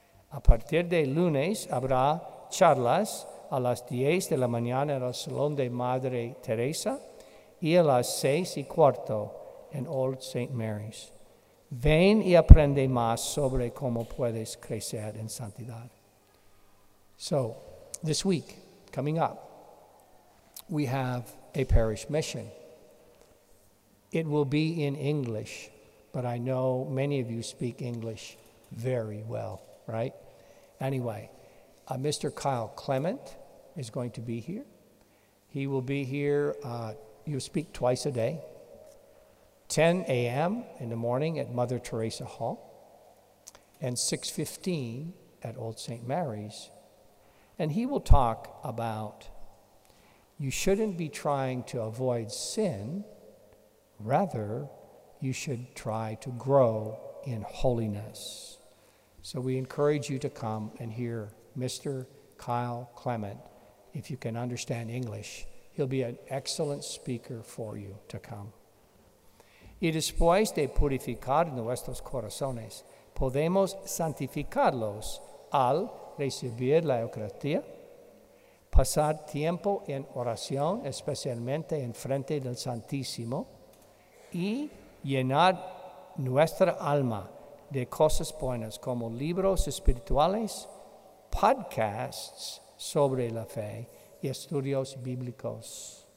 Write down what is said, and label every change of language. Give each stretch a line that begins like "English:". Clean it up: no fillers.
Spanish: A partir de lunes habrá charlas a las 10 de la mañana en el Salón de Madre Teresa y a las 6:15 en Old St. Mary's. Ven y aprende más sobre cómo puedes crecer en santidad.
English: So, this week, coming up, we have a parish mission. It will be in English, but I know many of you speak English very well, right? Anyway, Mr. Kyle Clement is going to be here. He will be here, you speak twice a day, 10 a.m. in the morning at Mother Teresa Hall, and 6:15 at Old St. Mary's. And he will talk about you shouldn't be trying to avoid sin, rather, you should try to grow in holiness. So we encourage you to come and hear Mr. Kyle Clement. If you can understand English, he'll be an excellent speaker for you to come.
Spanish: Y después de purificar nuestros corazones, podemos santificarlos al recibir la Eucaristía, pasar tiempo en oración, especialmente en frente del Santísimo, y llenar nuestra alma de cosas buenas como libros espirituales, podcasts sobre la fe y estudios bíblicos.